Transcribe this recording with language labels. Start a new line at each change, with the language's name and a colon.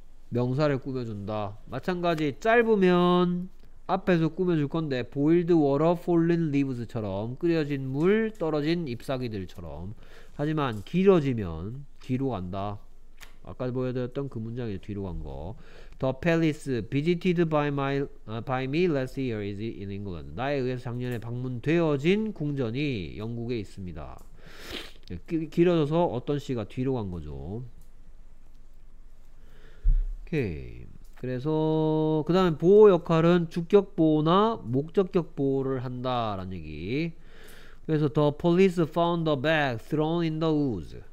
Korean: 명사를 꾸며준다. 마찬가지 짧으면 앞에서 꾸며줄 건데
English: boiled water, fallen leaves
Korean: 처럼 끓여진 물, 떨어진 잎사귀들처럼. 하지만 길어지면 뒤로 간다. 아까 보여드렸던 그 문장이 뒤로 간 거.
English: The palace visited by me last year is in England.
Korean: 나에 의해서 작년에 방문되어진 궁전이 영국에 있습니다. 길어져서 어떤 시가 뒤로 간 거죠. 오케이. 그래서 그 다음에 보호 역할은 주격 보호나 목적격 보호를 한다 라는 얘기. 그래서
English: the police found the bag thrown in the woods.